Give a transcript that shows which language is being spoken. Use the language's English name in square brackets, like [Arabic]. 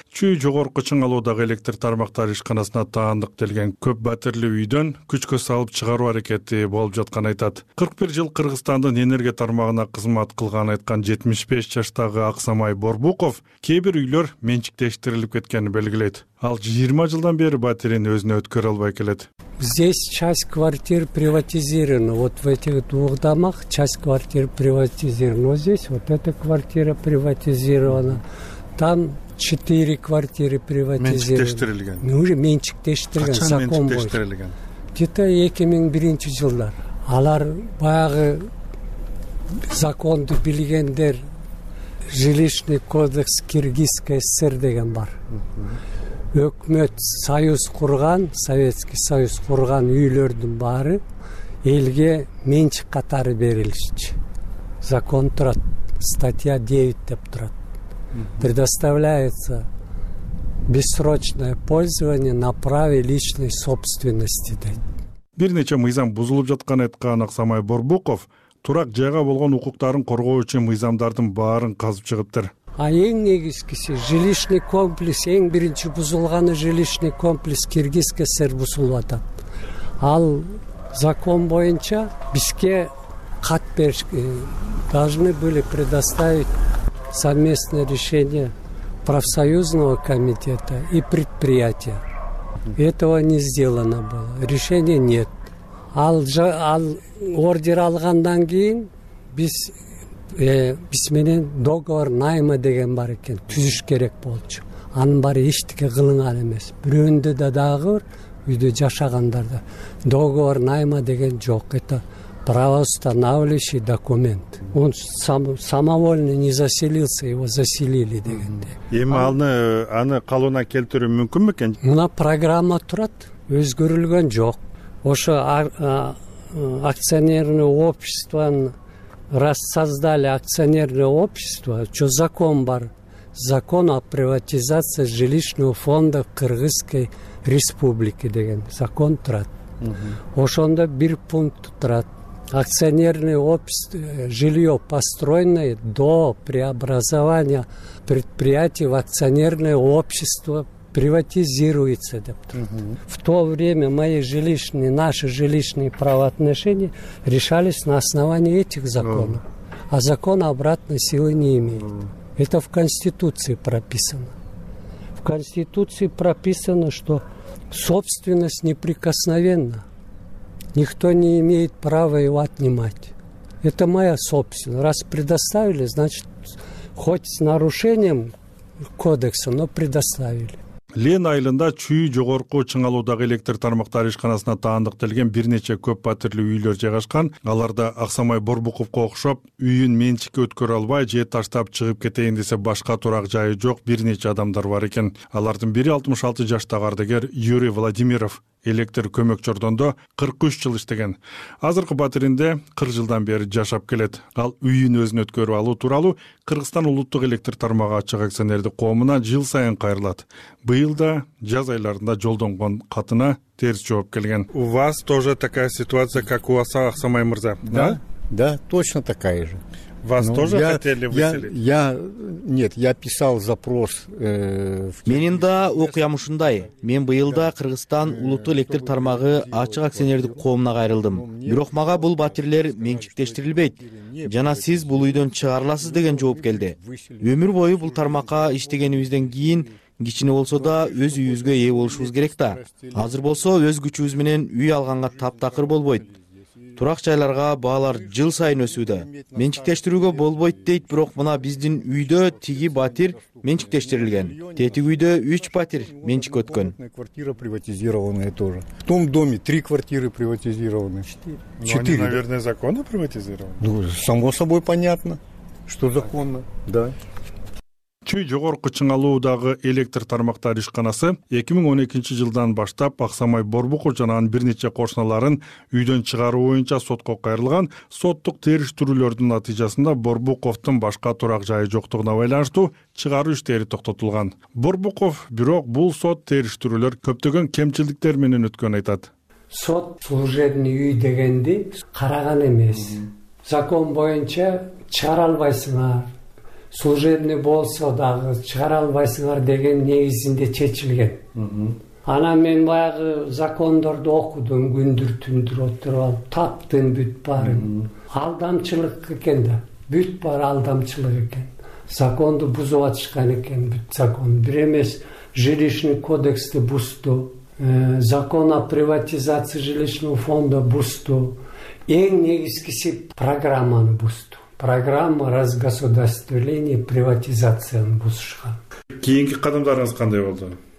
[Kyrgyz] Чүй жогорку чыңалуудагы электр тармактар ишканасына таандык делген көп батирлүү үйдөн күчкө салып чыгаруу аракети болуп жатканын айтат. 41 жыл Кыргызстандын энергия тармагына кызмат кылганын айткан 75 жаштагы Аксамай Борбуков кээ бир үйлөр менчиктештирилип кеткенин белгилейт. Ал 20 жылдан бери батирин өзүнө өткөрө албай келет. [Russian] Здесь часть квартир приватизирована. Вот в этих двух домах часть квартир приватизирована. Вот здесь вот эта квартира приватизирована. Там 4 квартиры приватизированы. [Kyrgyz] Менчиктештирилген. Закон бойынша. [Russian] Где-то [Kyrgyz] 2001 жылдар. Алар баягы законду билгендер, жилищный кодекс Киргизской ССР деген бар. Өкмөт союз курган, Советский союз курган үйлөрдүн баары элге менчик катары берилчи. Закон турат, статья 9 деп турат. [Russian] Предоставляется бессрочное пользование на праве личной собственности. [Kyrgyz] Бир нече мыйзам бузулуп жаткан айткан Аксамай Борбуков турак жайга болгон укуктарын коргоо үчүн мыйзамдардын баарын казып чыгыптыр. А эң негизгиси жилищный комплекс, эң биринчи бузулганы жилищный комплекс Киргизской ССР бузулуп атат. Ал закон боюнча бизге кат бериш [Russian] должны были предоставить совместное решение профсоюзного комитета и предприятия. Этого не сделано было. Решения нет. [Kyrgyz] Ал ордер алгандан кийин биз биз менен договор найма деген бар экен, түзүш керек болчу. Анын баары эчтеке кылынган эмес. Бирөөндө да дагы бир үйдө жашагандарда договор найма деген жок. [Russian] Это правоустанавливающий документ. Он самовольно не заселился, его заселили дегенде. [Kyrgyz] Эми аны калууна келтирүү мүмкүн бекен? Мына программа турат, өзгөрүлгөн жок. [Russian] Ошо акционерное общество раз создали акционерное общество, что закон бар? Закон о приватизации жилищного фонда Кыргызской Республики [Kyrgyz] деген закон турат. Ошондо бир пункт турат. [Russian] Акционерное общество, жилье построенное до преобразования предприятий в акционерное общество приватизируется [Kyrgyz] деп турат. [Russian] В то время наши жилищные правоотношения решались на основании этих законов. А закон обратной силы не имеет. Это в Конституции прописано. В Конституции прописано, что собственность неприкосновенна. Никто не имеет права его отнимать. Это моя собственность. Раз предоставили, значит, хоть с нарушением кодекса, но предоставили. [Kyrgyz] Лен айылында чүй жогорку чыңалуудагы электр тармактар ишканасына таандык делген бир нече көп батирлүү үйлөр жайгашкан. Аларда Аксамай Борбуковко окшоп, үйүн менчикке өткөрө албай, же таштап чыгып кетейин десе башка турак жайы жок бир нече адамдар бар экен. Алардын бири 66 жаштагы ардыгер Юрий Владимиров. Электр көмөкчордондо 43 жыл иштеген. Азыркы батиринде 40 жылдан бери жашап келет. Ал үйүн өзүнө өткөрүп алуу тууралуу Кыргызстан улуттук электр тармагы ачык акционердик коомуна жыл сайын кайрылат. Быйыл да жаз айларында жолдонгон катына терс жооп келген. [Russian] У вас тоже такая ситуация, как у Аксамай мырза? Да? Да, точно такая же. Вас тоже хотели выселить? Я писал запрос [Kyrgyz] в Менин да окуям ушундай. Мен быйылда Кыргызстан улуттук электр тармагы ачык акционердик коомуна кайрылдым. Бирок мага бул батирлер менчиктештирилбейт. Жана сиз бул үйдөн чыгарыласыз деген жооп келди. Өмүр бою бул тармакка иштегенибизден кийин кичине болсо да өз үйүбүзгө ээ болушубуз керек да. Азыр болсо өз күчүбүз менен үй алганга таптакыр болбойт. Турак жайларга баалар жыл сайын өсүүдө. Менчиктештирүүгө болбойт дейт, бирок мына биздин үйдө тиги батир менчиктештирилген. Тетиги үйдө 3 батир менчик өткөн. [Russian] Квартира приватизированная тоже. В том доме 3 квартиры приватизированы. 4. Они, наверное, законно приватизированы. Ну, само собой понятно, что законно. Да. [Kyrgyz] Чүй жогорку чыңалуудагы электр тармактар ишканасы 2012 жылдан баштап Аксамай Борбуков жана анын бир нече кошуналарын үйдөн чыгаруу боюнча сотко кайрылган. Соттук териштирүүлөрдүн натыйжасында Борбуковдун башка турак жайы жоктугуна байланыштуу чыгаруу иштери токтотулган. Борбуков бирок бул сот териштирүүлөр көптөгөн кемчиликтер менен өткөнүн айтат. Сот служебный үй дегенди караган эмес. Закон боюнча чыгара албайсыңар. Служебный болсо дагы чыгара албайсыңар деген негизинде чечилген. Ана мен баягы закондорду окудум, күндүр түндүр отуруп алып таптым бүт барын. Алдамчылык экен да. Бүт бар алдамчылык экен. Законду бузуп атышкан экен бүт закон. Бир эмес жилищный кодексти бузду. Закон о приватизации жилищного фонда бузду. Эң негизгиси программаны бузду. Программа разгосударствления приватизацияны бузушкан. Кийинки кадамдарыңыз кандай болду?